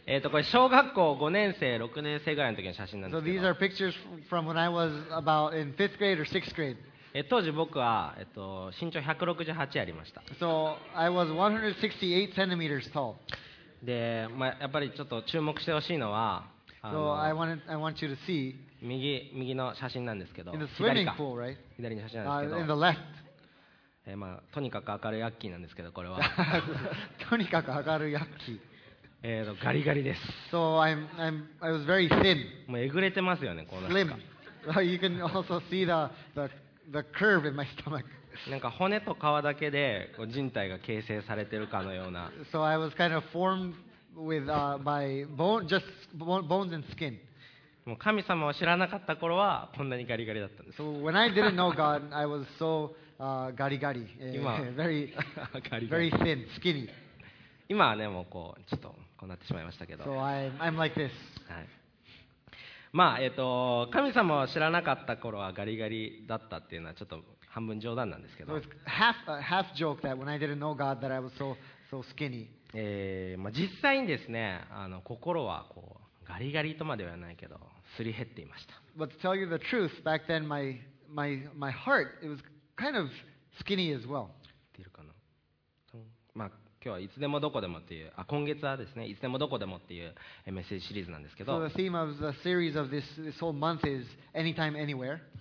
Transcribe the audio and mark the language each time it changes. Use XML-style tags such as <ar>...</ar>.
<ja>これ小学校5年生、6年生ぐらいの時の写真なんですけど。</ja> <en>So these are pictures from when I was about in fifth grade or sixth grade.</en> <ja>当時僕は、身長168ありました。</ja> <en>So, I was 168 centimeters tall.</en> <ja>で、まあ、やっぱりちょっと注目してほしいのは、</ja> <en>So, I want you to see</en> <ja>右の写真なんですけど、</ja> <en>In the swimming pool, right?</en> <ja>左の写真なんですけど、</ja> <en>In the left.</en> <ja>まあ、とにかく明るいアッキーなんですけど、これは。とにかく明るいアッキー。ガリガリです。</ja> <en>So, I was very thin.</en> <ja>もうえぐれてますよね、この人。</ja> <en>Slim. You can also see the curve in my stomach.</en> <ja>なんか骨と皮だけで人体が形成されてるかのような。</ja> <en>So I was kind of formed with by bone, just bones and skin.</en> <ja>もう神様を知らなかった頃はこんなにガリガリだったんです。</ja> <en>So when I didn't know God, I was so</en> <ja>ガリガリ。今、</ja> <en>very</en> <ja>ガリガリ。</ja> <en>Very thin, skinny.</en> <ja>今はね、もうこうちょっとこうなってしまいましたけど。</ja> <en>So I'm like this.</en> <ja>はい。まあ神様を知らなかった頃はガリガリだったっていうのはちょっと半分冗談なんですけど、</ja> <en>half joke that when I didn't know God that I was so skinny。</en> <ja>まあ実際にですね、心はこうガリガリとまではないけどすり減っていました。</ja> <en>But to tell you the truth, back then my heart it was kind of skinny as well。</en> <ja>出るかな。まあ今日はいつでもどこでもっていう、あ、今月はですね、いつでもどこでもっていうメッセージシリーズなんですけど。</ja> <en>So the theme of the series of this whole month is anytime, anywhere.</en>